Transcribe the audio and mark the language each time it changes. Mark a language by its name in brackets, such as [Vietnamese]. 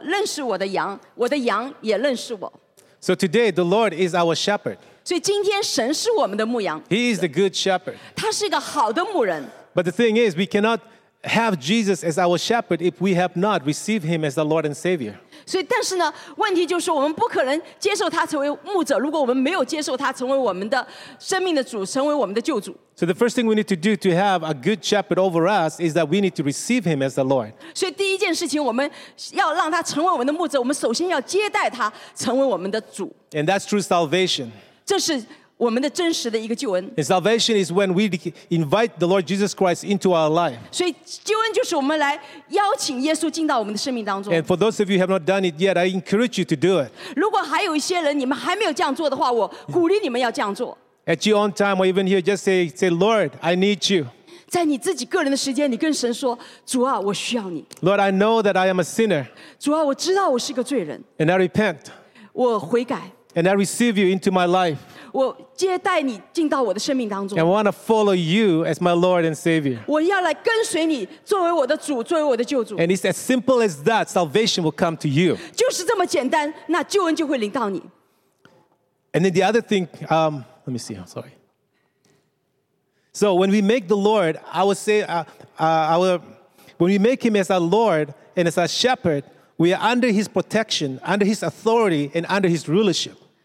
[Chinese] 所以在约翰福音十章十四节，耶稣说：“我就是好牧者，我认识我的羊，我的羊也认识我。”So [English] today the Lord is our shepherd. [Chinese] 所以今天神是我们的牧羊。He [English] is the good shepherd. [Chinese] 他是一个好的牧人。But [English] the thing is, we cannot have Jesus as our shepherd if we have not received him as the Lord and Savior. [Chinese] 所以但是呢，问题就是我们不可能接受他成为牧者，如果我们没有接受他成为我们的生命的主，成为我们的救主。So [English] the first thing we need to do to have a good shepherd over us is that we need to receive him as the Lord. [Chinese] 所以第一件事情，我们要让他成为我们的牧者，我们首先要接待他成为我们的主。And [English] that's true salvation. [Chinese] 这是 我们的真实的一个救恩。 [English] And salvation is when we invite the Lord Jesus Christ into our life. [Chinese] 所以救恩就是我们来邀请耶稣进到我们的生命当中。 [English] And for those of you who have not done it yet, I encourage you to do it. [Chinese] 如果还有一些人你们还没有这样做的话, 我鼓励你们要这样做。 [English] At your own time or even here, just say, Lord, I need you. [Chinese] 在你自己个人的时间，你跟神说， 主啊, 我需要你。 [English] Lord, I know that I am a sinner. [Chinese] 主啊, 我知道我是个罪人。 [English] And I repent. [Chinese] 我悔改。 [English] And I receive you into my life. [Chinese] 我接待你进到我的生命当中。 [English] And I want to follow you as my Lord and Savior. [Chinese] 我要来跟随你，作为我的主，作为我的救主。 [English] And it's as simple as that, salvation will come to you. [Chinese] 就是这么简单，那救恩就会临到你。And [English] then the other thing, let me see, I'm sorry. So when we make the Lord, I will say, when we make him as our Lord and as our shepherd, we are under his protection, under his authority, and under his rulership.